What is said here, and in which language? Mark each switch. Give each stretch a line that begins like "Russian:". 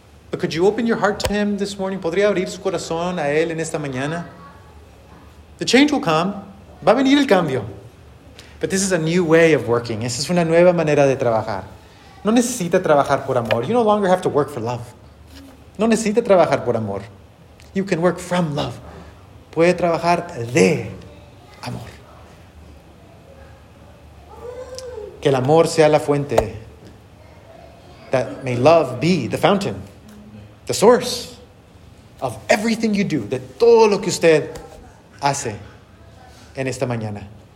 English: But could you open your heart to him this morning?
Spanish: ¿Podría abrir su corazón a él en esta mañana?
English: The change will come.
Spanish: Va a venir el cambio.
English: But this is a new way of working.
Spanish: Esa es una nueva manera de trabajar. No necesita trabajar por amor.
English: You no longer have to work for love.
Spanish: No necesita trabajar por amor.
English: You can work from love.
Spanish: Puede trabajar de amor. Que el amor sea la fuente.
English: That may love be the fountain, the source of everything you do.
Spanish: De todo lo que usted hace en esta mañana.